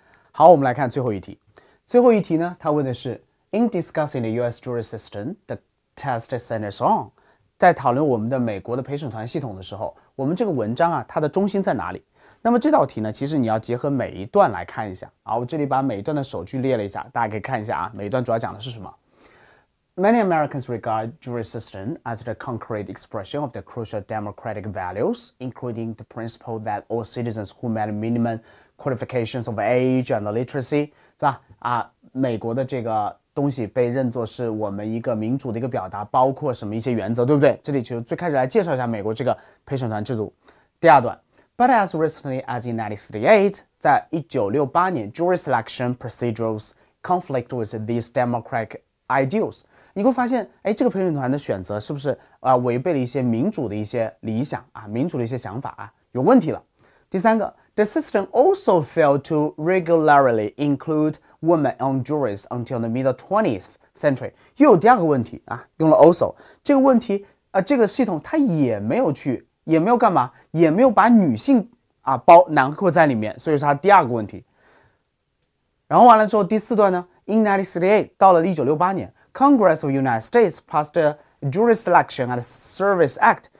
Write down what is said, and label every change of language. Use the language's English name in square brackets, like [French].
[Chinese] 好，我们来看最后一题。最后一题呢，他问的是 [English] In discussing the US jury system, the test centers on， [Chinese] 在讨论我们的美国的陪审团系统的时候，我们这个文章啊它的中心在哪里？那么这道题呢，其实你要结合每一段来看一下啊。我这里把每一段的首句列了一下，大家可以看一下啊，每一段主要讲的是什么。 [English] Many Americans regard jury system as the concrete expression of the crucial democratic values, including the principle that all citizens who met minimum qualifications of age and literacy, 对吧？ [Chinese] 啊，美国的这个东西被认作是我们一个民主的一个表达，包括什么一些原则，对不对？这里就最开始来介绍一下美国这个陪审团制度。第二段 [English] ，But as recently as in 1968, [Chinese] 在1968年 [English] ，jury selection procedures conflict with these democratic ideals. [Chinese] 你会发现，哎，这个陪审团的选择是不是违背了一些民主的一些理想啊，民主的一些想法啊？有问题了。第三个 [English] ，The system also failed to regularly include women on juries until the middle 20th century。 [Chinese] 又有第二个问题啊，用了 also 这个问题啊，这个系统它也没有去，也没有干嘛，也没有把女性啊包囊括在里面，所以说它第二个问题。然后完了之后，第四段呢 [English] ？In 1968， [Chinese] 到了1968年 [English] ，Congress of the United States passed the Jury Selection and Service Act。